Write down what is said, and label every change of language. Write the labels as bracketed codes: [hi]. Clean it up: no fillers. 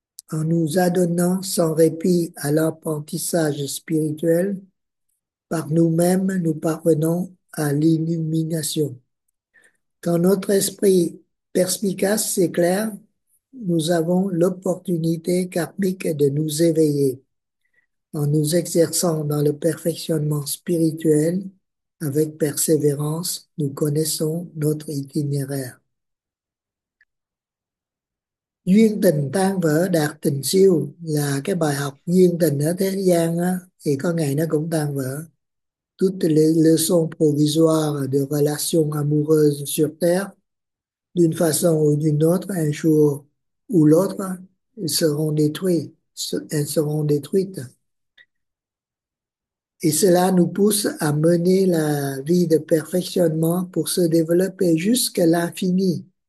[fr] En nous adonnant sans répit à l'apprentissage spirituel, par nous-mêmes, nous parvenons à l'illumination. Quand notre esprit perspicace s'éclaire, Nous avons l'opportunité karmique de nous éveiller en nous exerçant dans le perfectionnement spirituel avec persévérance. Nous connaissons notre itinéraire. [vi] Duyên tình tan vỡ đạt tình siêu là cái bài học duyên tình ở thế gian á, thì có ngày nó cũng tan vỡ. [fr] Toutes les leçons provisoires de relations amoureuses sur Terre, d'une façon ou d'une autre, un jour ou l'autre, seront détruites. Elles seront détruites. Et cela nous pousse à mener la vie de perfectionnement pour se développer jusqu'à l'infini.